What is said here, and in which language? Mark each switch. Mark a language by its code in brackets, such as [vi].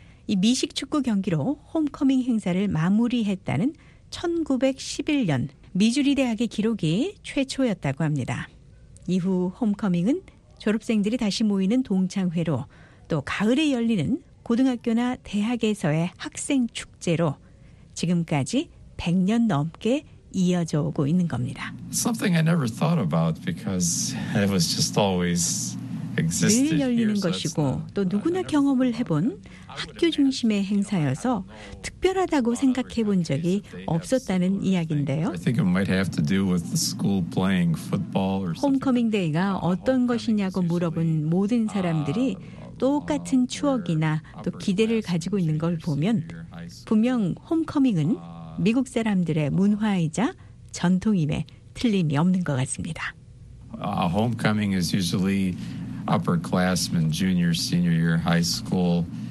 [ko] 이 미식 축구 경기로 홈커밍 행사를 마무리했다는 1911년 미주리 대학의 기록이 최초였다고 합니다. 이후 홈커밍은 졸업생들이 다시 모이는 동창회로, 또 가을에 열리는 고등학교나 대학에서의 학생 축제로 지금까지 100년 넘게 이어져 오고 있는 겁니다. [en] Something I never thought about because it was just always existed. [ko] 늘 열리는 것이고 또 누구나 경험을 해본 학교 중심의 행사여서 특별하다고 생각해 본 적이 없었다는 이야기인데요. [en] I think it might have to do with the school playing football or something. [ko] 홈커밍 데이가 어떤 것이냐고 물어본 모든 사람들이 똑같은 추억이나 또 기대를 가지고 있는 걸 보면 분명 홈커밍은 미국 사람들의 문화이자 전통임에 틀림이 없는 것 같습니다. [en] Homecoming is usually upperclassmen, junior, senior year high school.